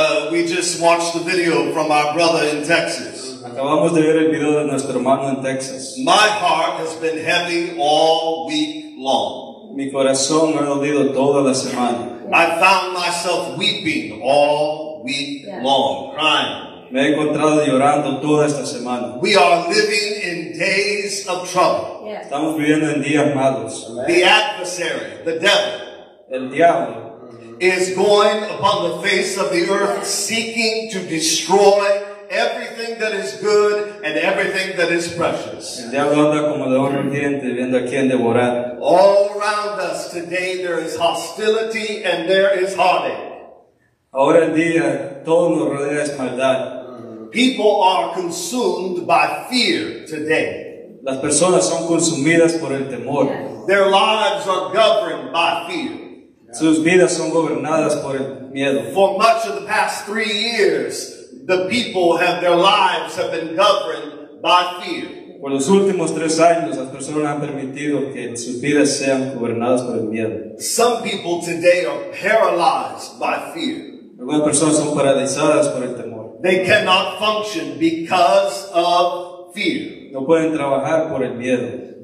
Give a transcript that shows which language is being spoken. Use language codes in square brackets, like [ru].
[en] We just watched the video from our brother in Texas. [es] Acabamos de ver el video de nuestro hermano en Texas. [en] My heart has been heavy all week long. [es] Mi corazón ha dolido toda la semana. [en] I found myself weeping all week long, crying. [es] Me he encontrado llorando toda esta semana. [en] We are living in days of trouble. Yes. [es] Estamos viviendo en días malos. [en] The adversary, the devil, [es] el diablo, [en] is going upon the face of the earth seeking to destroy everything that is good and everything that is precious. [es] El diablo anda como león rugiente viendo a quien devorar. [en] All around us today there is hostility and there is heartache. [es] Ahora en día todo nos rodea es maldad. [en] People are consumed by fear today. [es] Las personas son consumidas por el temor. [en] Their lives are governed by fear. [es] Sus vidas son gobernadas por el miedo. [en] For much of the past 3 years, the people have their lives have been governed by fear. [es] Por los últimos 3 años, las personas han permitido que sus vidas sean gobernadas por el miedo. [en] Some people today are paralyzed by fear. [es] Algunas personas son paralizadas por el temor. [en] They cannot function because of fear. [es] No pueden trabajar por el miedo.